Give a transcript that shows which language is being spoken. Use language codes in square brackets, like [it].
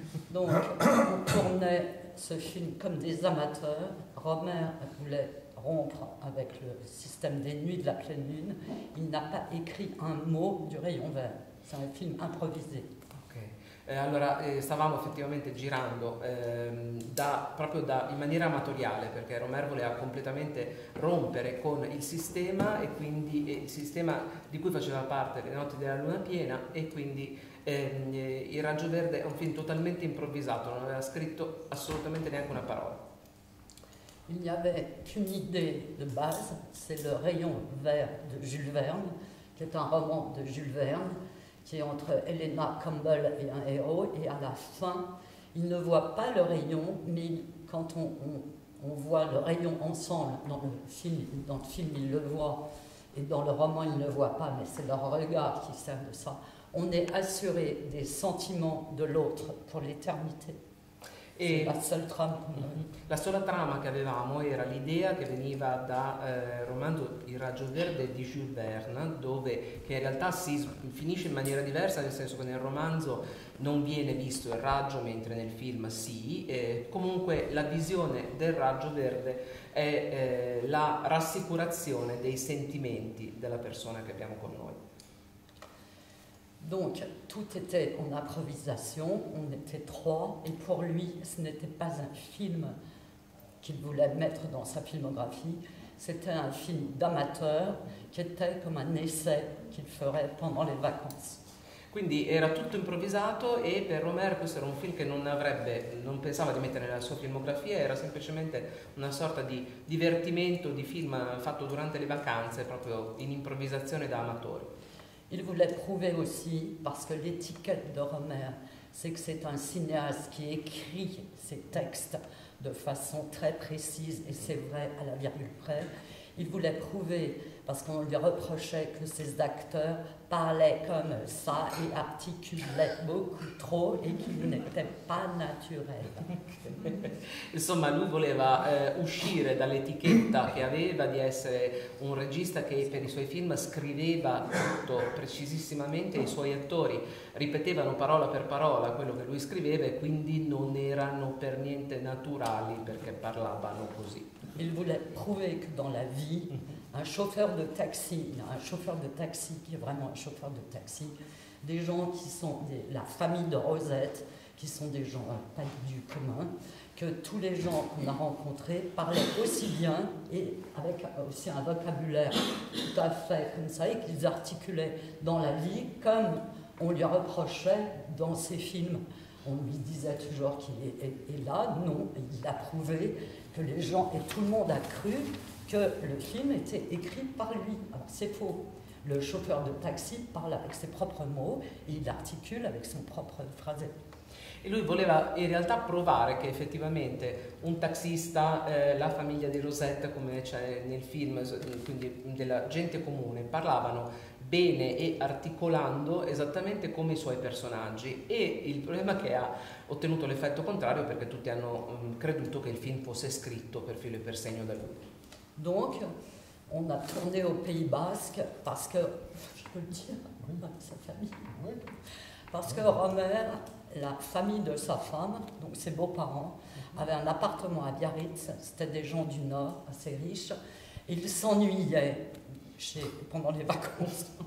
[fr] Donc, on tournait ce film comme des amateurs. Romer voulait rompre avec le système des nuits de la pleine lune. Il n'a pas écrit un mot du rayon vert. C'est un film improvisé. [it] Allora, stavamo effettivamente girando in maniera amatoriale, perché Romer voleva completamente rompere con il sistema, e quindi il sistema di cui faceva parte Le notti della luna piena, e quindi Il raggio verde è un film totalmente improvvisato, non aveva scritto assolutamente neanche una parola. [fr] Il n'y avait qu'une idée de base, c'est Le rayon vert de Jules Verne, che è un roman de Jules Verne, qui est entre Helena Campbell et un héros, et à la fin, il ne voit pas le rayon, mais quand on voit le rayon ensemble, dans le film il le voit, et dans le roman il ne le voit pas, mais c'est leur regard qui sert de ça, on est assuré des sentiments de l'autre pour l'éternité. [it] E la sola trama che avevamo era l'idea che veniva da romanzo Il raggio verde di Jules Verne, dove che in realtà si finisce in maniera diversa, nel senso che nel romanzo non viene visto il raggio, mentre nel film sì. Comunque la visione del raggio verde è la rassicurazione dei sentimenti della persona che abbiamo con noi. [fr] Donc, tout était en improvisation, on était trois, et pour lui, ce n'était pas un film qu'il voulait mettre dans sa filmographie, c'était un film d'amateur qui était comme un essai qu'il ferait pendant les vacances. [it] Quindi era tutto improvvisato, e per Romer questo era un film che non pensava di mettere nella sua filmografia, era semplicemente una sorta di divertimento, di film fatto durante le vacanze, proprio in improvvisazione da amatori. [fr] Il voulait prouver aussi, parce que l'étiquette de Romer, c'est que c'est un cinéaste qui écrit ses textes de façon très précise, et c'est vrai à la virgule près. Il voulait prouver, parce qu'on lui reprochait que ses acteurs parlaient comme ça et articulaient beaucoup trop et qu'il n'était pas naturel. [it] Insomma, lui voleva uscire dall'etichetta che aveva di essere un regista che per i suoi film scriveva tutto precisissimamente, i suoi attori ripetevano parola per parola quello che lui scriveva, e quindi non erano per niente naturali perché parlavano così. [fr] Il voulait prouver que dans la vie, un chauffeur de taxi, qui est vraiment un chauffeur de taxi, des gens qui sont la famille de Rosette, qui sont des gens pas du commun, que tous les gens qu'on a rencontrés parlaient aussi bien et avec aussi un vocabulaire tout à fait comme ça, et qu'ils articulaient dans la vie comme on lui reprochait dans ses films. On lui disait toujours qu'il est là, non, il a prouvé que les gens et tout le monde a cru que le film était écrit par lui. Alors c'est faux. Le chauffeur de taxi parle avec ses propres mots, il articule avec son propre phrasé. [it] E lui voleva in realtà provare che effettivamente un taxista, la famiglia di Rosetta, come c'è nel film, quindi della gente comune, parlavano bene e articolando esattamente come i suoi personaggi. E il problema è che ha ottenuto l'effetto contrario, perché tutti hanno creduto che il film fosse scritto per filo e per segno da lui. [fr] Donc, on a tourné au Pays Basque parce que, je peux le dire, sa famille, parce que Romer, la famille de sa femme, donc ses beaux-parents, avait un appartement à Biarritz, c'était des gens du Nord, assez riches, et ils s'ennuyaient pendant les vacances.